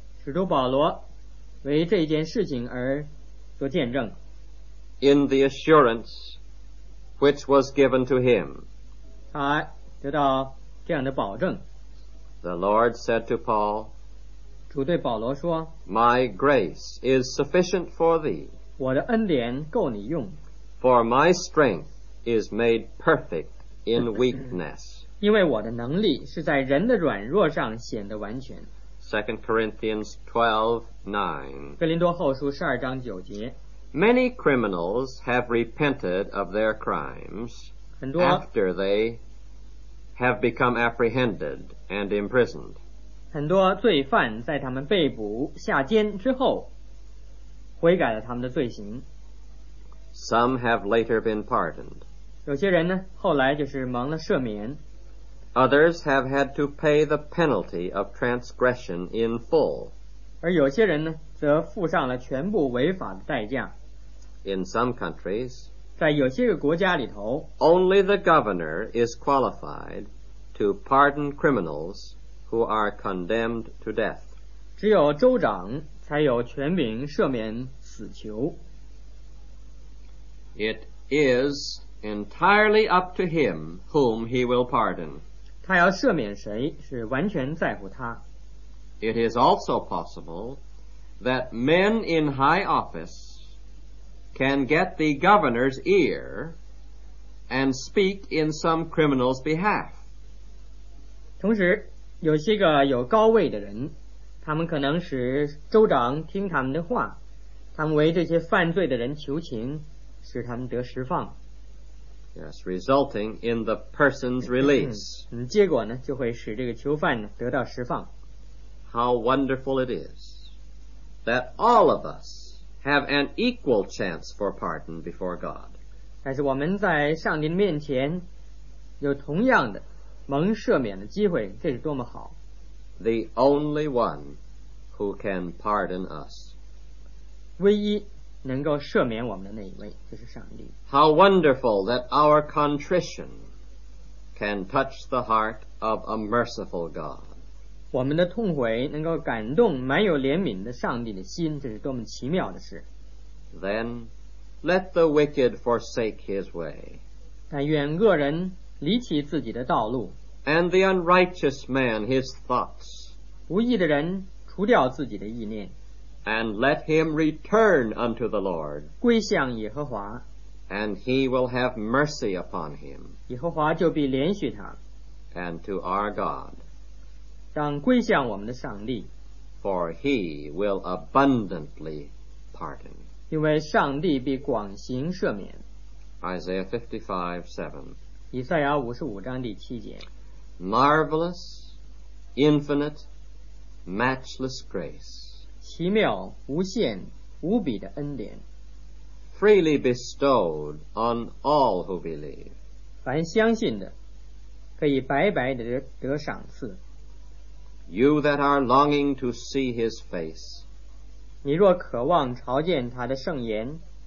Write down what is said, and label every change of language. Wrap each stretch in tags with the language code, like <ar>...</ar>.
<zh>使徒保罗为这件事情而做见证。</zh> <en>In the assurance which was given to him.</en> <zh>他得到这样的保证。</zh> <en>The Lord said to Paul,</en> <zh>主对保罗说,</zh> <en>My grace is sufficient for thee.</en> <zh>我的恩典够你用。</zh> <en>For my strength is made perfect in weakness.</en> <zh>因为我的能力是在人的软弱上显得完全。</zh> <en>2 Corinthians 12:9.</en> <zh>哥林多后书12:9.</zh> <en>Many criminals have repented of their crimes after they have become apprehended and imprisoned.</en> <zh>很多罪犯在他们被捕下监之后悔改了他们的罪行。</zh> <en>Some have later been pardoned.</en> <zh>有些人呢后来就是蒙了赦免。</zh> <en>Others have had to pay the penalty of transgression in full.</en> <zh>而有些人呢，则付上了全部违法的代价。</zh> <en>In some countries,</en> <zh>在有些个国家里头，</zh> <en>only the governor is qualified to pardon criminals who are condemned to death.</en> <zh>只有州长才有权柄赦免死囚。</zh> <en>It is entirely up to him whom he will pardon.</en> <zh>他要赦免谁是完全在乎他。</zh> <en>It is also possible that men in high office can get the governor's ear and speak in some criminal's behalf.</en> <zh>同时有些个有高位的人，他们可能使州长听他们的话，他们为这些犯罪的人求情，使他们得释放。</zh> <en>Yes, resulting in the person's release.</en> <zh>结果呢，就会使这个囚犯得到释放。</zh> <en>How wonderful it is that all of us have an equal chance for pardon before God.</en> <zh>但是我们在上帝面前有同样的蒙赦免的机会，这是多么好。</zh> <en>The only one who can pardon us.</en> <zh>唯一能够赦免我们的那一位就是上帝。</zh> <en>How wonderful that our contrition can touch the heart of a merciful God.</en> <zh>我们的痛悔能够感动满有怜悯的上帝的心，这是多么奇妙的事。</zh> <en>Then let the wicked forsake his way.</en> <zh>但愿恶人离弃自己的道路。</zh> <en>And the unrighteous man his thoughts.</en> <zh>无义的人除掉自己的意念。</zh> <en>And let him return unto the Lord.</en> <zh>归向耶和华。</zh> <en>And he will have mercy upon him.</en> <zh>耶和华就必怜恤他。</zh> <en>And to our God.</en> <zh>当归向我们的上帝。</zh> <en>For he will abundantly pardon.</en> <zh>因为上帝必广行赦免。</zh> <en>Isaiah 55:7.</en> <zh>以赛亚55:7.</zh> <en>Marvelous, infinite, matchless grace.</en> <zh>奇妙无限无比的恩典。</zh> <en>Freely bestowed on all who believe.</en> <zh>凡相信的可以白白的得赏赐。</zh> <en>You that are longing to see his face,</en> <zh>你若渴望朝见他的圣颜，</zh>